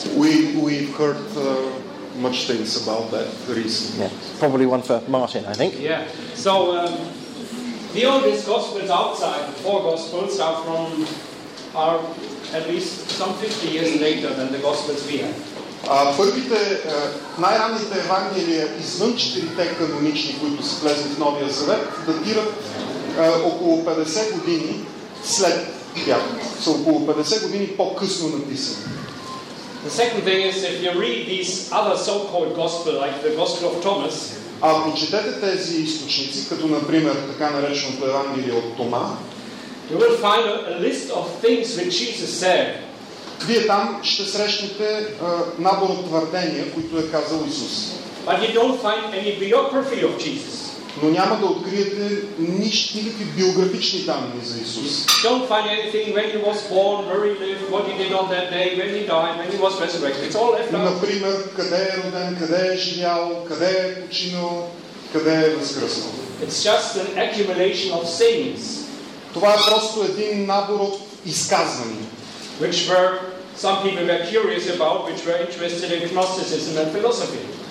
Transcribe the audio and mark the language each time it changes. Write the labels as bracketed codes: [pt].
[en] We've heard much things about that recently. Yeah. Probably one for Martin, I think. Yeah. So the oldest gospels outside, the four gospels, are at least some 50 years later than the gospels we have. [bg] Първите, най-ранните евангелия извън четирите канонични, които са влезли в Новия Завет, датират около 50 години след тях. Са около 50 години по-късно написани. [en] The second thing is, if you read these other so-called gospels, like the Gospel of Thomas, [bg] ако четете тези източници, като например така нареченото евангелие от Тома, [en] you will find a list of things which Jesus said. [bg] Вие там ще срещнете набор от твърдения, които е казал Исус. [en] But you don't find any biography of Jesus. [bg] Но няма да откриете никакви биографични данни за Исус. [en] You don't find anything when he was born, where he lived, what he did on that day, when he died, when he was resurrected. It's all left out. [bg] Например, къде е роден, къде е живял, къде е починал, къде е възкръснал. [en] It's just an accumulation of sayings. [bg] Това е просто един набор от изказвания. [en] Which were some people were curious about, which were interested in Gnosticism and philosophy.